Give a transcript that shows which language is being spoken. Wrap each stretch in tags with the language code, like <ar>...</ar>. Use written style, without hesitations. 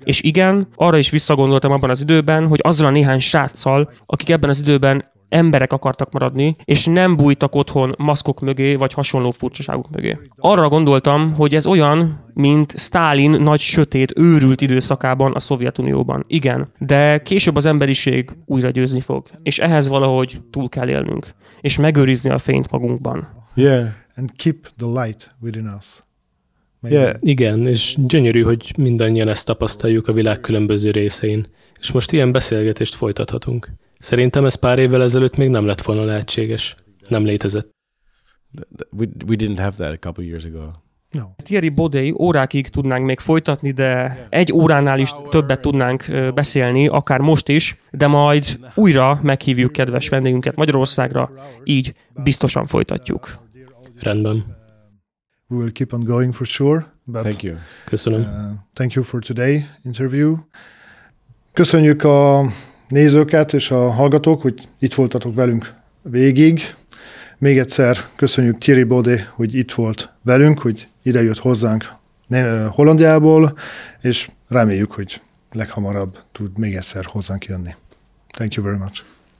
<hu>És igen, arra is visszagondoltam abban az időben, hogy azzal a néhány sráccal, akik ebben az időben emberek akartak maradni, és nem bújtak otthon maszkok mögé, vagy hasonló furcsaságok mögé. Arra gondoltam, hogy ez olyan, mint Sztálin nagy sötét, őrült időszakában a Szovjetunióban. Igen, de később az emberiség újra győzni fog, és ehhez valahogy túl kell élnünk, és megőrizni a fényt magunkban.</hu> <en>Yeah. And keep the light within us. Yeah.</en> <hu>Igen, és gyönyörű, hogy mindannyian ezt tapasztaljuk a világ különböző részein, és most ilyen beszélgetést folytathatunk. Szerintem ez pár évvel ezelőtt még nem lett volna lehetséges. Nem létezett.</hu> <en>We didn't have that a couple years ago. No.</en> <hu>Thierry Baudet órákig tudnánk még folytatni, de egy óránál is többet tudnánk beszélni, akár most is, de majd újra meghívjuk kedves vendégünket Magyarországra, így biztosan folytatjuk. Rendben.</hu> <en>We will keep on going for sure. But thank you.</en> <hu>Köszönöm.</hu> <en>Thank you for today interview.</en> <hu>Köszönjük a nézőket és a hallgatók, hogy itt voltatok velünk végig. Még egyszer köszönjük Thierry Baudet, hogy itt volt velünk, hogy idejött hozzánk Hollandjából, és reméljük, hogy leghamarabb tud még egyszer hozzánk jönni.</hu> <en>Thank you very much.</en>